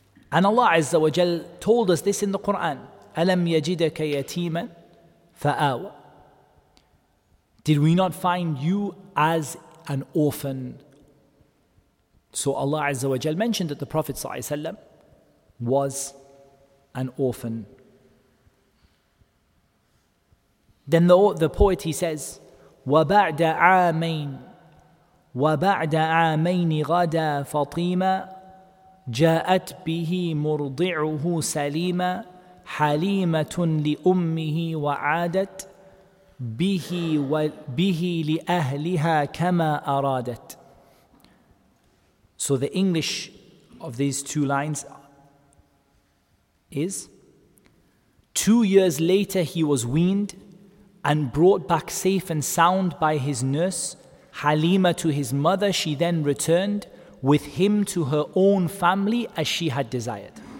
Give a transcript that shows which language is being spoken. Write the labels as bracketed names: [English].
[English] And Allah Azza wa Jal told us this in the Quran. [Arabic] أَلَمْ يَجِدَكَ يَتِيمًا فَآوَى. [English] Did we not find you as an orphan? So Allah Azza wa Jal mentioned that the Prophet sallallahu alaihi wasallam was an orphan. Then the poet, he says, [Arabic] وَبَعْدَ عَامَيْنِ وَبَعْدَ عَامَيْنِ غَدَى فَطِيمًا جاءت به مرضعه سليما حليمة لأمه وعادت به وبه لأهلها كما أرادت. [English] So the English of these two lines is, 2 years later he was weaned and brought back safe and sound by his nurse Halima to his mother. She then returned with him to her own family as she had desired.